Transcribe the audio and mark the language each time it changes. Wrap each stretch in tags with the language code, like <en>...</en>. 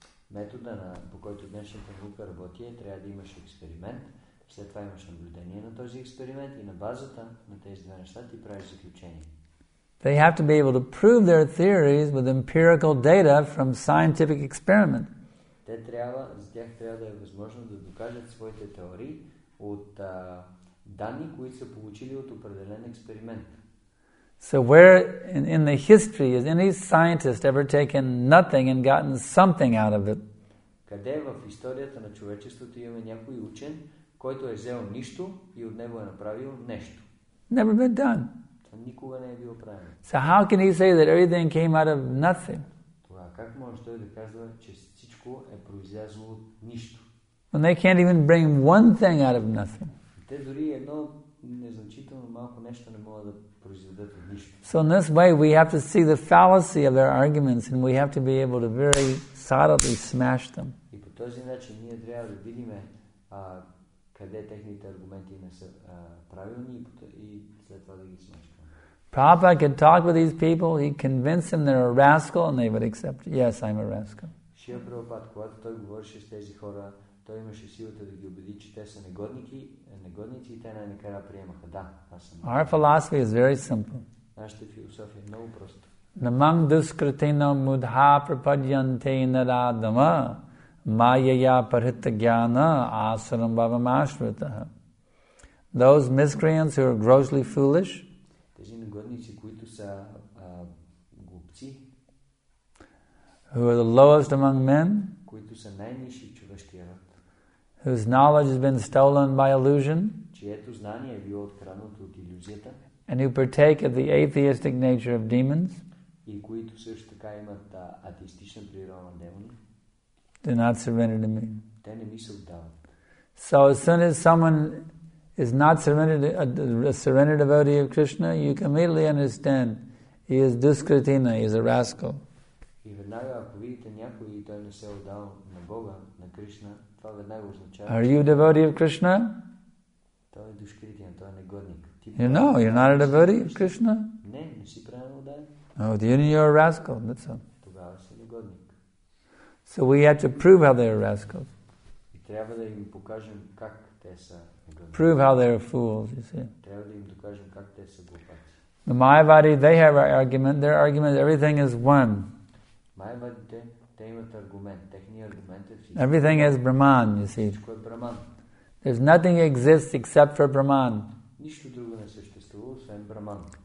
<bg>Метода, по който днешната наука работи, е, трябва да имаш експеримент, след това имаш наблюдение на този експеримент и на базата на тези две неща ти правиш заключение.</bg> <en>They have to be able to prove their theories with empirical data from scientific experiment.</en> <bg>Те трябва, за тях трябва да е възможно да докажат своите теории от данни, които са получили от определен експеримент.</bg> <en>So where in the history has any scientist ever taken nothing and gotten something out of it?</en> <bg>Къде в историята на човечеството имаме някой учен, който е взел нищо и от него е направил нещо?</bg> <en>Never been done.</en> <bg>Това никога не е било правено.</bg> <en>So how can he say that everything came out of nothing?</en> <bg>Това как може той да казва, че всичко е произлязло от нищо?</bg> <en>When they can't even bring one thing out of nothing.</en> <bg>Те дори едно незначително малко нещо не могат да произведат от нищо.</bg> <en>So in this way we have to see the fallacy of their arguments and we have to be able to very solidly smash them.</en> <bg>И по този начин ние трябва да видим къде техните аргументи не са правилни и след това да ги смачкаме.</bg> <en>Prabhupada could talk with these people, he convinced them they're a rascal and they would accept, yes, I'm a rascal.</en> <bg>Шия Прабхупад, когато той говореше с тези хора, той имаше силата да ги убеди, че те са негодники, негодници и те най-накрая приемаха. Да, аз съм.</bg> <en>Our philosophy is very simple.</en> <bg>Нашата философия е много проста.</bg> <sa>Намам дускратина мудха пропадянте нарадама майя парита гьяна асарам бавамашвитаха.</sa> <en>Those miscreants who are grossly foolish,</en> <bg>тези негодници, които са глупци,</bg> <en>who are the lowest among men,</en> <bg>които са най-ниши човешкия род,</bg> <en>whose knowledge has been stolen by illusion,</en> <bg>чието знание е било откраднато от илюзията,</bg> <en>and who partake of the atheistic nature of demons,</en> <bg>и които също така имат атеистична природа на демони,</bg> <en>do not surrender to me.</en> <bg>Те не ми се отдават.</bg> <en>So as soon as someone is not surrendered a surrendered devotee of Krishna, you can immediately understand he is duskritina, he is a rascal.</en> <bg>И веднага, ако видите някой и той не се отдал на Бога, на Кришна, това веднага означава.</bg> <en>Are you a devotee of Krishna?</en> <bg>Той е душкритин, той е негодник.</bg> <en>You know, you're not a devotee of Krishna?</en> <bg>Не, не си правилно отдаден.</bg> <en>Oh, then you're a rascal, that's all.</en> <bg>Тогава си негодник.</bg> <en>So we have to prove how they're rascals.</en> <bg>И трябва да им покажем как те са негодници.</bg> <en>Prove how they're fools, you see.</en> <bg>Трябва да им докажем как те са глупаци.</bg> <en>The Mayavadi, they have an argument. Their argument is everything is one.</en> <bg>Майавадите, те имат аргумент. Техният аргумент е всичко.</bg> <en>Everything is Brahman, you see.</en> <bg>Всичко е Brahman.</bg> <en>There's nothing exists except for Brahman.</en> <bg>Нищо друго не съществува, освен Brahman.</bg>